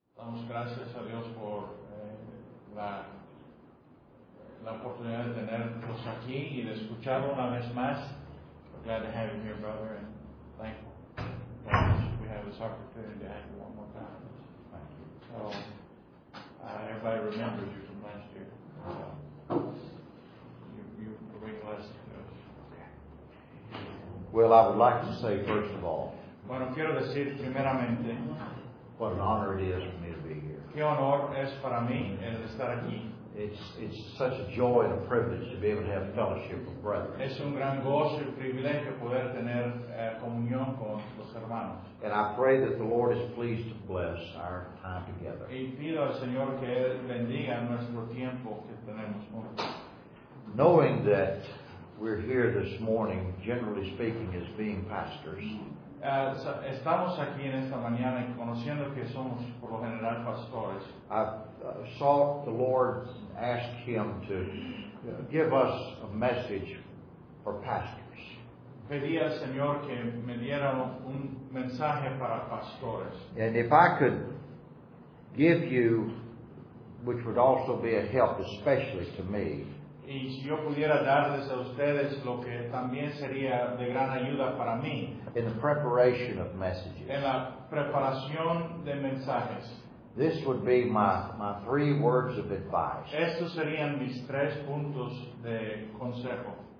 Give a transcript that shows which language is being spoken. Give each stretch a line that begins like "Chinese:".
Spanish: Damos gracias a Dios por la oportunidad de tenerlos aquí y de escuchar una vez más.
English: We're glad to have you here, brother, and thankful that we have this opportunity to have you one more time. Thank you. So everybody remembers you from last year. You bring blessing to us. Well, I would like to say, first of all,
Spanish: bueno, quiero decir primeramente,
English: what an honor it is for me to be here.
Spanish: Qué honor es para mí el estar aquí.
English: It's such a joy and a privilege to be able to have fellowship with brethren.
Spanish: Es un gran gozo y privilegio poder tener comunión con los hermanos.
English: And I pray that the Lord is pleased to bless our time together.
Spanish: Y pido al Señor que él bendiga nuestro tiempo que tenemos juntos.
English: Knowing that we're here this morning, generally speaking, as being pastors.
Spanish: Estamos aquí en esta mañana conociendo que somos por lo general pastores.
English: I saw the Lord ask him to give us a message for pastors.
Spanish: Pedí al Señor que me diera un mensaje para pastores.
English: And if I could give you, which would also be a help especially to me,
Spanish: y si yo pudiera darles a ustedes lo que también sería de gran ayuda para mí,
English: in the preparation of messages,
Spanish: en la preparación de mensajes,
English: this would be my three words of advice.
Spanish: Estos serían mis tres puntos de consejo.